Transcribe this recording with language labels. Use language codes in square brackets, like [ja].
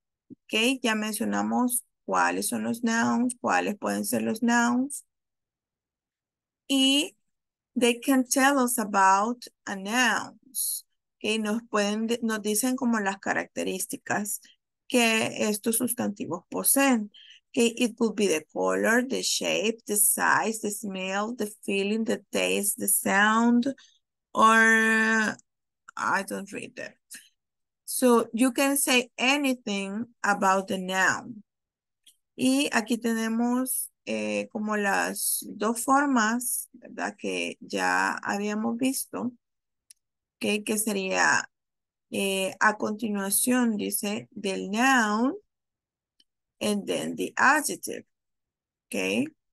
[es] Ok, ya mencionamos cuáles son los nouns, cuáles pueden ser los nouns. [en] Y they can tell us about a noun. [es] Ok, nos dicen como las características que estos sustantivos poseen. [en] Ok, it could be the color, the shape, the size, the smell, the feeling, the taste, the sound, or I don't read that. So you can say anything about the noun. [es] Y aquí tenemos como las dos formas, ¿verdad? Que ya habíamos visto. Okay, que sería a continuación, dice, del noun [en] and then the adjective. [es] Okay.